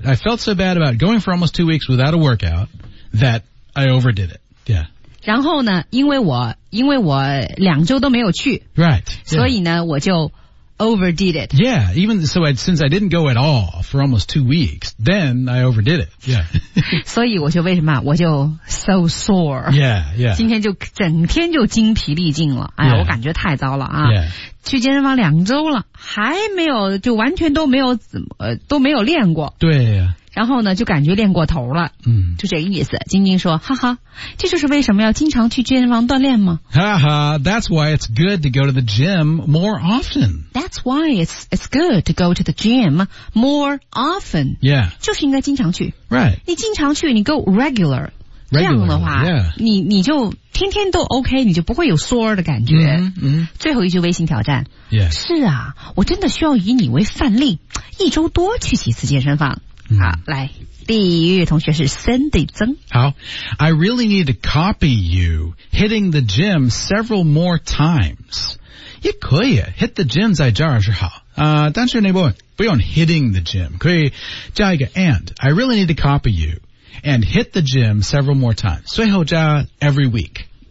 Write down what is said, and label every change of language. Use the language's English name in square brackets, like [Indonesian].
[English] I felt so bad about going for almost 2 weeks without a workout that I overdid it. Yeah. [Chinese] 然后呢，因为我两周都没有去。 [English] Right. [Chinese] 所以呢，我就 [English] overdid it. Yeah. Even so, since I didn't go at all for almost 2 weeks, then I overdid it. Yeah. [Chinese] 所以我就为什么我就 [English] so sore. Yeah, yeah. [Chinese] 今天就整天就精疲力尽了。哎呀， [English] yeah. [Chinese] 我感觉太糟了啊！ [English] Yeah. [Chinese] 去健身房两周了，还没有就完全都没有都没有练过。对、啊。然后呢，就感觉练过头了。嗯，就这个意思。晶晶说：“哈哈，这就是为什么要经常去健身房锻炼吗？” [English] 哈哈 ，That's why it's good to go to the gym more often. That's why it's good to go to the gym more often. Yeah， [Chinese] 就是应该经常去。 [English] Right， [Chinese] 你经常去，你 [English] go regular。 [Chinese] 这样的话、 [English] yeah. [Chinese] 你就天天都 OK 你就不会有 sore 的感觉 mm-hmm. Mm-hmm. 最后一句微信挑战、 [English] yeah. [Chinese] 是啊我真的需要以你为范例一周多去几次健身房、 mm. 好来第一位同学是 Sandy 曾 [English] 好 I really need to copy you hitting the gym several more times [Chinese] 也可以 [English] hit the gym [Chinese] 在这儿是好但是那部分不用 [English] hitting the gym [Chinese] 可以加一个 [English] and I really need to copy youand hit the gym several more times. [Chinese] 最后加 [English] every week.